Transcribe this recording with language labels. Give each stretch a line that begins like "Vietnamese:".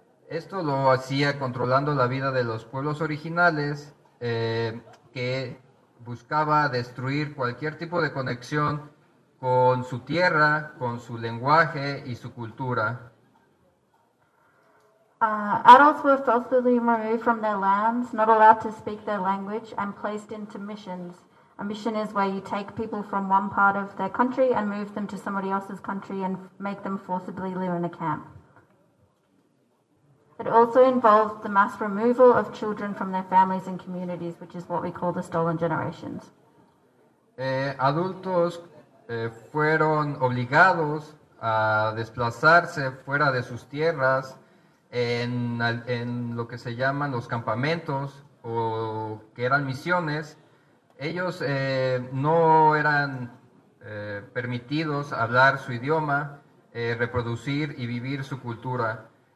Spanish: Esto lo hacía controlando la vida de los pueblos originales que buscaba destruir cualquier tipo de conexión con su tierra, con su lenguaje y su cultura.
English: Adults were forcibly removed from their lands, not allowed to speak their language, and placed into missions. A mission is where you take people from one part of their country and move them to somebody else's country and make them forcibly live in a camp. It also involved the mass removal of children from their families and communities, which is what we call the Stolen Generations.
Spanish: Adultos fueron obligados a desplazarse fuera de sus tierras en lo que se llaman los campamentos o que eran misiones. Ellos no eran permitidos hablar su idioma, reproducir y vivir su cultura.